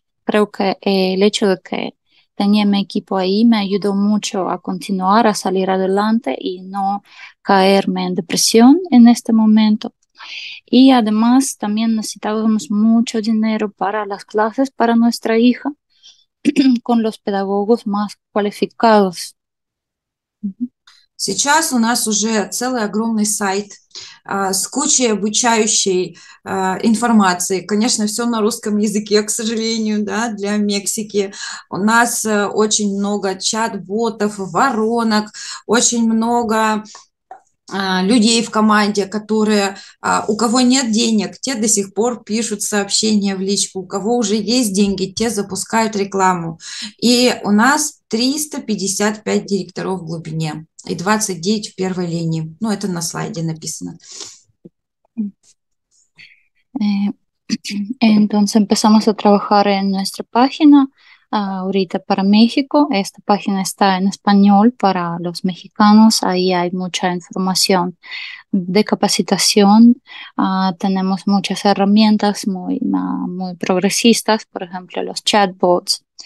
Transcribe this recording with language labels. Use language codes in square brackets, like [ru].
[es] Creo que el hecho de que tenía mi equipo ahí me ayudó mucho a continuar, a salir adelante y no caerme en depresión en este momento. Y además también necesitábamos mucho dinero para las clases para nuestra hija con los pedagogos más cualificados. [ru] Сейчас у нас уже целый огромный сайт с кучей обучающей информации. Конечно, все на русском языке, к сожалению, да, для Мексики. У нас очень много чат-ботов, воронок, очень много людей в команде, которые, у кого нет денег, те до сих пор пишут сообщения в личку, у кого уже есть деньги, те запускают рекламу. И у нас 355 директоров в глубине и 29 в первой линии. Ну, это на слайде написано. [es] Entonces empezamos a trabajar en nuestra página ahorita para México. Esta página está en español para los mexicanos. Ahí hay mucha información de capacitación. Tenemos muchas herramientas muy, muy progresistas, por ejemplo, los chatbots.